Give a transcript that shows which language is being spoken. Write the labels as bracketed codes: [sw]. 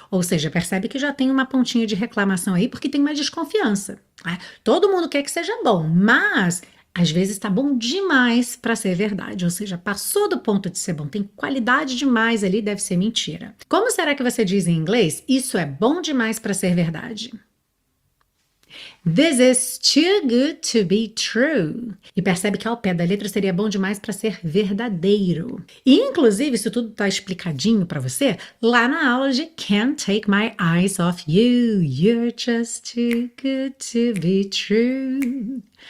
[pt] Ou seja, percebe que já tem uma pontinha de reclamação aí porque tem uma desconfiança, né? Todo mundo quer que seja bom, mas às vezes está bom demais para ser verdade. Ou seja, passou do ponto de ser bom, tem qualidade demais ali, deve ser mentira. Como será que você diz em inglês isso é bom demais para ser verdade? [en] This is too good to be true. [pt] E percebe que ao pé da letra seria bom demais para ser verdadeiro. E, inclusive, isso tudo está explicadinho para você lá na aula de Can't Take My Eyes Off You. [en] You're just too good to be true.